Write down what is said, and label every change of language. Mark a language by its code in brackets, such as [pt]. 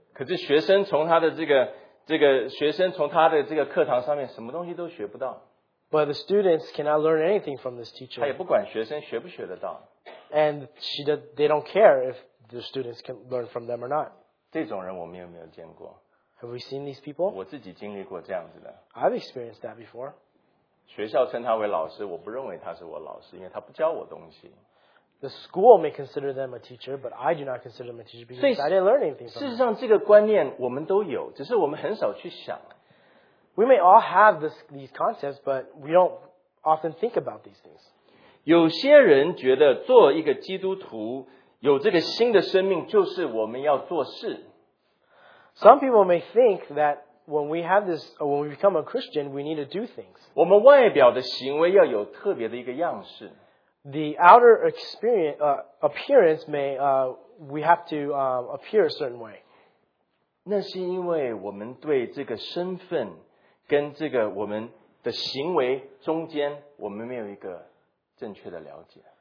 [zh] 可是学生从他的这个学生从他的这个课堂上面什么东西都学不到。 [en] But the students cannot learn anything from this teacher. [zh] 他也不管学生学不学得到。 [en] And they don't care if the students can learn from them or not. [zh] 这种人我们有没有见过？ [en] Have we seen these people? [zh] 我自己经历过这样子的。 [en] I've experienced that before. [zh] 学校称他为老师，我不认为他是我老师，因为他不教我东西。 [en] The school may consider them a teacher, but I do not consider them a teacher because I didn't learn anything from them. [zh] 事实上这个观念我们都有，只是我们很少去想。 [en] We may all have these concepts, but we don't often think about these things. [zh] 有些人觉得做一个基督徒，有这个新的生命，就是我们要做事。 [en] Some people may think that when we have this, when we become a Christian, we need to do things. [zh] 我们外表的行为要有特别的一个样式。 [en] The outer appearance may, we have to appear a certain way. [zh] 那是因为我们对这个身份跟这个我们的行为中间，我们没有一个正确的了解。